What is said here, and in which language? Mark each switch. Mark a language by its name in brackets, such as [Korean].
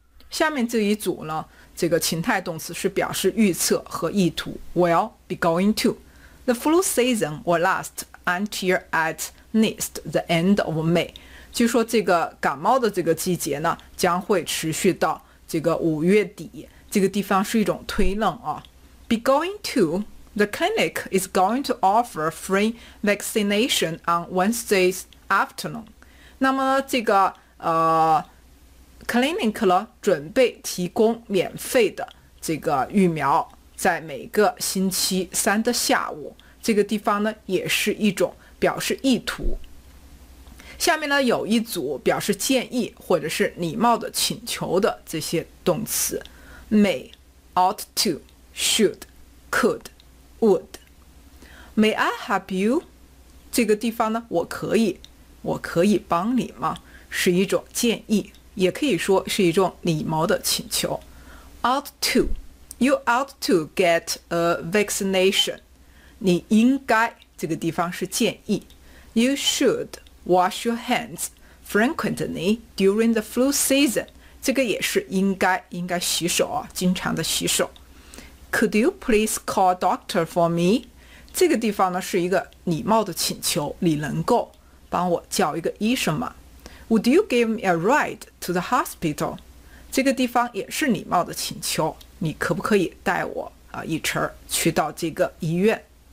[Chinese] 下面这一组呢，这个情态动词是表示预测和意图。 [English] Will be going to. The flu season will last until at least the end of May. [Chinese] 据说这个感冒的这个季节呢将会持续到这个5月底。这个地方是一种推论 [English] Be going to. The clinic is going to offer free vaccination on Wednesday's afternoon. [Chinese] 那么这个clinic 呢准备提供免费的这个疫苗，在每个星期三的下午。这个地方呢也是一种表示意图。下面呢有一组表示建议或者是礼貌的请求的这些动词 ：may, ought to, should, could. Would. [English] May I help you? [Chinese] 这个地方呢，我可以帮你吗？是一种建议，也可以说是一种礼貌的请求。 [English] Ought to. You ought to get a vaccination. [Chinese] 你应该，这个地方是建议。 [English] You should wash your hands frequently during the flu season. [Chinese] 这个也是应该洗手经常的洗手。 [English] Could you please call a doctor for me? [Chinese] 这个地方呢是一个礼貌的请求，你能够帮我叫一个医生吗？ [English] Would you give me a ride to the hospital? [Chinese] 这个地方也是礼貌的请求，你可不可以带我一程去到这个医院？